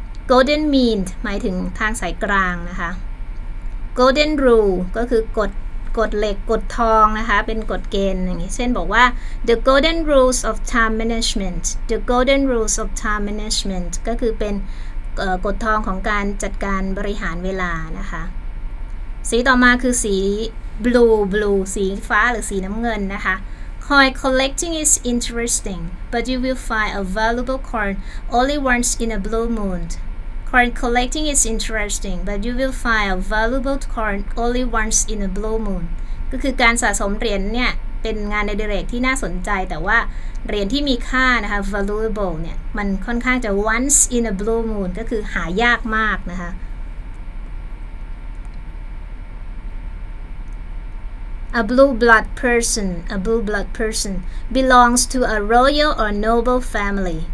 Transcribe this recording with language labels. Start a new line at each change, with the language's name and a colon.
Thai: golden mean หมายถึงทางสายกลางนะคะ golden rule ก็คือกฎเหล็กกฎทองนะคะเป็นกฎเกณฑ์อย่างนี้เช่นบอกว่า
English: the golden rules of time management
Thai: the golden rules of time management ก็คือเป็นกฎทองของการจัดการบริหารเวลานะคะสีต่อมาคือสี blue สีฟ้าหรือสีน้ำเงินนะคะ
English: While collecting is interesting, but you will find a valuable coin only once in a blue moon. Coin collecting is interesting, but you will find a valuable coin only once in a blue moon.
Thai: ก็คือการสะสมเหรียญเนี่ยเป็นงานในเดเรกที่น่าสนใจแต่ว่าเหรียญที่มีค่านะคะ valuable เนี่ยมันค่อนข้างจะ once in a blue moon ก็คือหายากมากนะคะ
English: A blue blood person belongs to a royal or noble family.